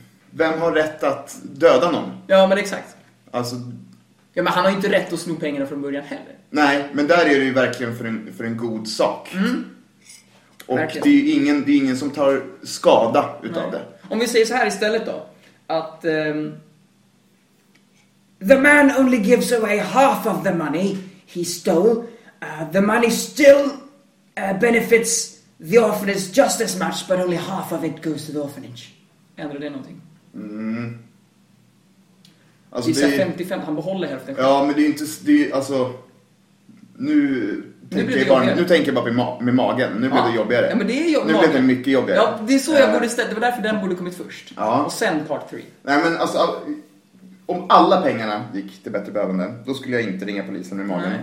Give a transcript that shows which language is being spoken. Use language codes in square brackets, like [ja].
[sv] Vem har rätt att döda någon? Ja, men exakt. Alltså... Ja, men han har ju inte rätt att sno pengarna från början heller. Nej, men där är det ju verkligen för en god sak. Mm. Och det är ju ingen som tar skada utav det. Om vi säger så här istället då. Att... [en] The man only gives away half of the money he stole. The money still benefits the orphanage just as much, but only half of it goes to the orphanage. [sv] Ändrar det någonting? Mm... Alltså det är 55, han behåller hälften. Ja, men det är inte, det är, alltså nu tänker jag bara med magen. Nu blir det jobbigare. Ja, men det är nu blir det mycket jobbigare. Ja, det är så jag borde ställa. Det var därför den borde kommit först. Ja. Och sen [en] part 3. [sv] Nej, men alltså om alla pengarna gick till bättre behövande, då skulle jag inte ringa polisen med magen.